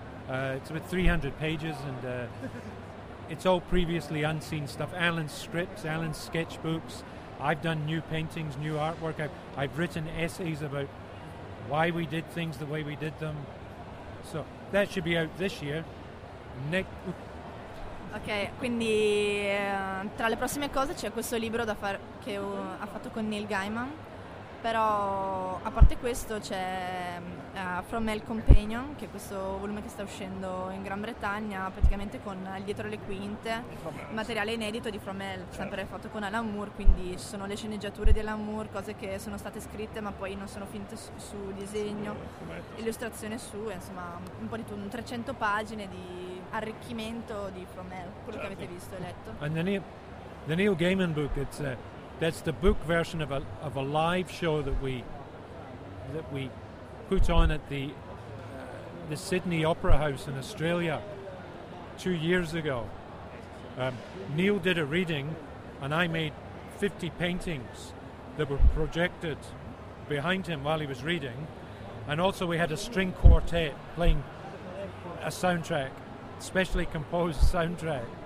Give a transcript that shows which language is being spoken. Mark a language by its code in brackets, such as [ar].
[en] It's about 300 pages and it's all previously unseen stuff. Alan's scripts, Alan's sketchbooks. I've done new paintings, new artwork. I've written essays about why we did things the way we did them. So that should be out this year. [it] Ok, quindi tra le prossime cose c'è questo libro che ha fatto con Neil Gaiman, però a parte questo c'è From Hell Companion, che è questo volume che sta uscendo in Gran Bretagna, praticamente con dietro le quinte, materiale inedito di From Hell, sempre fatto con Alan Moore, quindi ci sono le sceneggiature di Alan Moore, cose che sono state scritte ma poi non sono finite su disegno, illustrazione su, insomma un po' di tutto, 300 pagine di arricchimento di From Hell, quello che avete visto e letto. [en] And the Neil Gaiman book, that's the book version of a live show that we put on at the Sydney Opera House in Australia 2 years ago. Neil did a reading and I made 50 paintings that were projected behind him while he was reading, and also we had a string quartet playing a soundtrack, specially composed soundtrack.